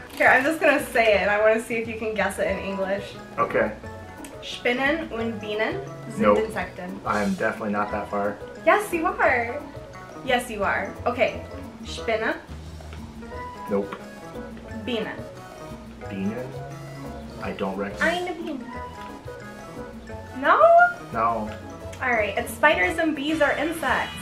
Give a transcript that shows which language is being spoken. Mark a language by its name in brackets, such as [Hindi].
[English] Here, I'm just gonna say it and I wanna see if you can guess it in English. Okay. [German] Spinnen und Bienen sind Insekten. [English] Nope. I am definitely not that far. Yes, you are. Yes, you are. Okay. Spinne. Nope. [German] Bienen. [English] Bienen? I don't recognize. [German] Eine Biene. No? [English] No. Alright, it's spiders and bees are insects.